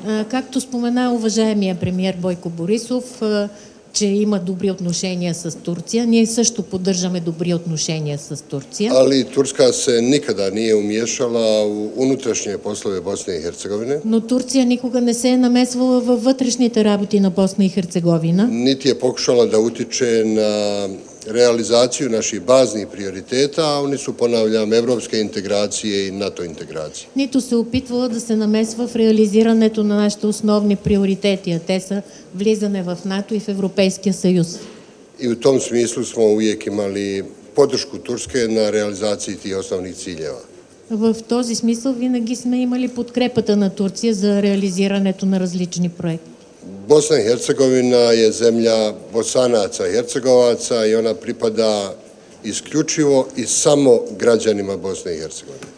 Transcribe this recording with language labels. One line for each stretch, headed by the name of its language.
Bulgarian: Както спомена уважаемия премиер Бойко Борисов, че има добри отношения с Турция, ние също поддържаме добри отношения с Турция.
Serbian: Али Турска се никада не е умешала в унутрешни послове Босна и Херцеговина.
Bulgarian: Но Турция никога не се е намесвала във вътрешните работи на Босна и Херцеговина.
Serbian: Нити е покушала да утиче на реализацију наших базних приоритета, а они су, понављам, европске интеграције и НАТО интеграције.
Bulgarian: Нито се опитвало да се намесва в реализирането на нашите основни приоритети, а те са влизане в НАТО и в Европейския съюз.
Serbian: И у том смислу смо увек имали подршку Турске на реализацији тих основних циљева.
Bulgarian: В този смисъл винаги сме имали подкрепата на Турция за реализирането на различни проекти.
Serbian: Босна и Херцеговина е земля босанаца и херцеговаца и она припада исключиво и само граѓанима Босна и Херцеговина.